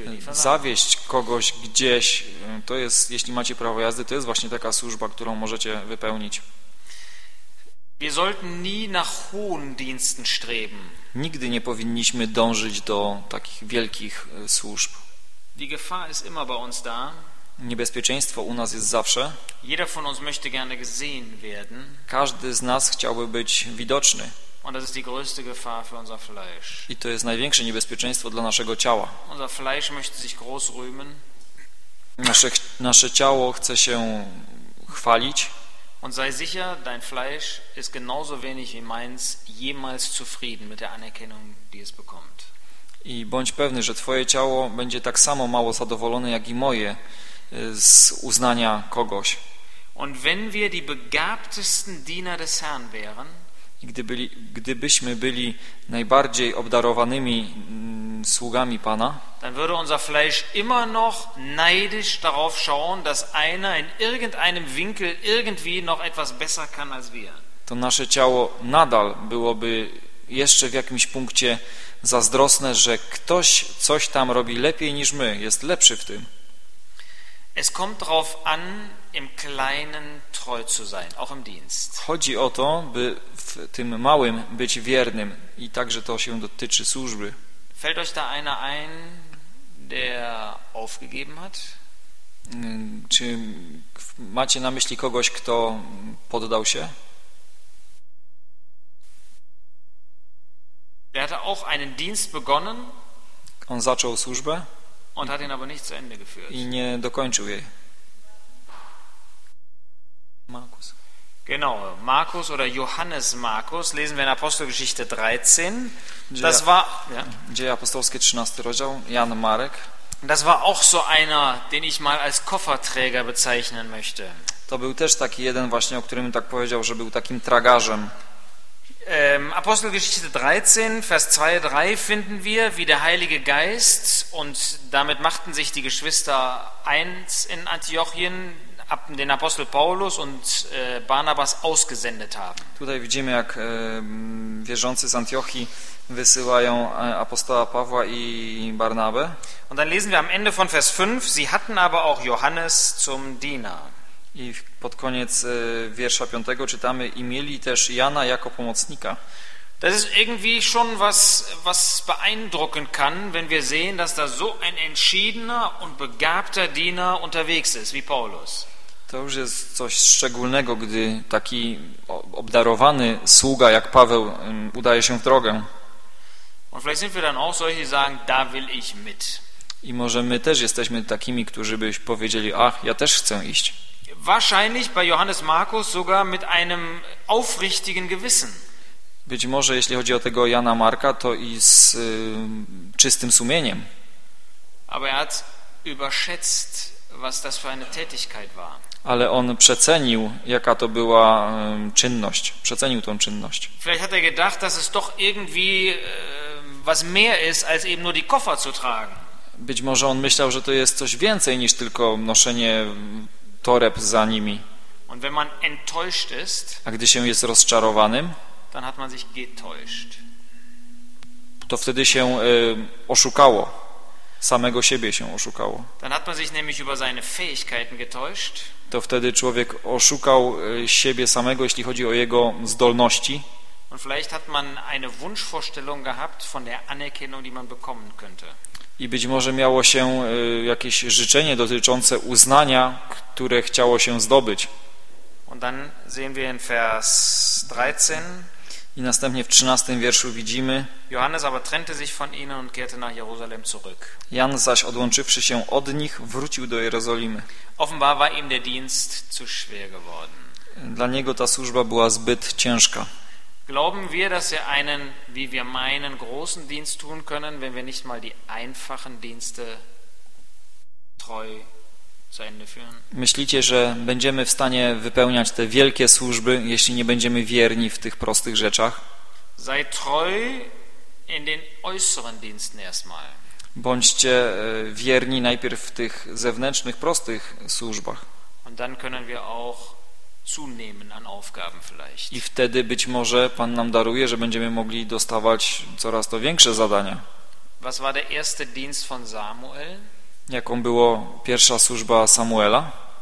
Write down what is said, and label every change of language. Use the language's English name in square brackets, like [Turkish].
[Polish] zawieźć kogoś gdzieś, to jest, jeśli macie prawo jazdy, to jest właśnie taka służba, którą możecie wypełnić. [German] Wir sollten nie nach hohen Diensten streben. [Polish] Nigdy nie powinniśmy dążyć do takich wielkich służb. [German] Die Gefahr ist immer bei uns da. [Polish] Niebezpieczeństwo u nas jest zawsze. [German] Jeder von uns möchte gerne gesehen werden. [Polish] Każdy z nas chciałby być widoczny. [German] Und das ist die größte Gefahr für unser Fleisch. [Polish] I to jest największe niebezpieczeństwo dla naszego ciała. [German] Unser Fleisch möchte sich groß rühmen. [Polish] Nasze ciało chce się chwalić. [German] Und sei sicher, dein Fleisch ist genauso wenig wie meins jemals zufrieden mit der Anerkennung, die es bekommt. [Polish] I bądź pewny, że twoje ciało będzie tak samo mało zadowolone jak i moje z uznania kogoś. [German] Und wenn wir die begabtesten Diener des Herrn wären, [Polish] gdybyśmy byli najbardziej obdarowanymi sługami Pana, [German] dann würde unser Fleisch immer noch neidisch darauf schauen, dass einer in irgendeinem Winkel irgendwie noch etwas besser kann als wir. [Polish] To nasze ciało nadal byłoby jeszcze w jakimś punkcie zazdrosne, że ktoś coś tam robi lepiej niż my, jest lepszy w tym. [German] Es kommt drauf an, im Kleinen treu zu sein, auch im Dienst. [Polish] Chodzi o to, by w tym małym być wiernym i także to się dotyczy służby. [German] Fällt euch da einer ein, der aufgegeben hat? [Polish] Czy macie na myśli kogoś, kto poddał się? [German] Der hatte auch einen Dienst begonnen. [Polish] On zaczął służbę. [German] Und hat ihn aber nicht zu Ende geführt. [Polish] I nie dokończył jej. [German] Markus. Genau, Markus oder Johannes Markus, lesen wir in Apostelgeschichte 13. Das war, ja. [Polish] Dzieje apostolskie, 13. rozdział, Jan Marek. [German] Das war auch so einer, den ich mal als Kofferträger bezeichnen möchte. [Polish] To był też taki jeden właśnie, o którym tak powiedział, że był takim tragarzem. [German] Apostelgeschichte 13, Vers 2-3 finden wir, wie der Heilige Geist, und damit machten sich die Geschwister eins in Antiochien, ab den Apostel Paulus und Barnabas ausgesendet haben. [Polish] Tutaj widzimy, jak wierzący z Antiochii wysyłają apostoła Pawła i Barnabę. [German] Und dann lesen wir am Ende von Vers 5, sie hatten aber auch Johannes zum Diener. [Polish] I pod koniec wiersza 5 czytamy i mieli też Jana jako pomocnika. [German] Das ist irgendwie schon was beeindrucken kann, wenn wir sehen, dass da so ein entschiedener und begabter Diener unterwegs ist, wie Paulus. [Polish] To już jest coś szczególnego, gdy taki obdarowany sługa jak Paweł udaje się w drogę. [German] Und vielleicht sind wir dann auch solche, die sagen, da will ich mit. [Polish] I może my też jesteśmy takimi, którzy by powiedzieli, ach, ja też chcę iść. [German] Wahrscheinlich bei Johannes Markus sogar mit einem aufrichtigen Gewissen. [Polish] Być może, jeśli chodzi o tego Jana Marka, to i z czystym sumieniem. [German] Aber er hat überschätzt, was das für eine Tätigkeit war. [Polish] Ale on przecenił, jaka to była czynność. Przecenił tą czynność. [German] Vielleicht hat er gedacht, dass es doch irgendwie was mehr ist, als eben nur die Koffer zu tragen. [Polish] Być może on myślał, że to jest coś więcej niż tylko noszenie toreb za nimi. [German] Und wenn man enttäuscht ist, [Polish] a gdy się jest rozczarowanym, [German] dann hat man sich getäuscht. [Polish] To wtedy się oszukało. Samego siebie się oszukało. [German] Dann hat man sich nämlich über seine Fähigkeiten getäuscht. [Polish] To wtedy człowiek oszukał siebie samego, jeśli chodzi o jego zdolności. [German] Und vielleicht hat man eine Wunschvorstellung gehabt von der Anerkennung, die man bekommen könnte. [Polish] I być może miało się jakieś życzenie dotyczące uznania, które chciało się zdobyć. [German] Und dann sehen wir in Vers 13. [Polish] I następnie w 13 wierszu widzimy. [German] Johannes aber trennte sich von ihnen und kehrte nach Jerusalem zurück. [Polish] Jan zaś odłączywszy się od nich, wrócił do Jerozolimy. [German] Offenbar war ihm der Dienst zu schwer geworden. [Polish] Dla niego ta służba była zbyt ciężka. [German] Glauben wir, dass wir einen, wie wir meinen, großen Dienst tun können, wenn wir nicht mal die einfachen Dienste treu zu Ende führen? [Polish] Myślicie, że będziemy w stanie wypełniać te wielkie służby, jeśli nie będziemy wierni w tych prostych rzeczach? [German] Sei treu in den äußeren Diensten erstmal. [Polish] Bądźcie wierni najpierw w tych zewnętrznych, prostych służbach. [German] Und dann können wir auch zunehmen an Aufgaben vielleicht. [Polish] I wtedy być może Pan nam daruje, że będziemy mogli dostawać coraz to większe zadania. [German] Was war der erste Dienst von Samuel? [Polish] Jaką była pierwsza służba Samuela?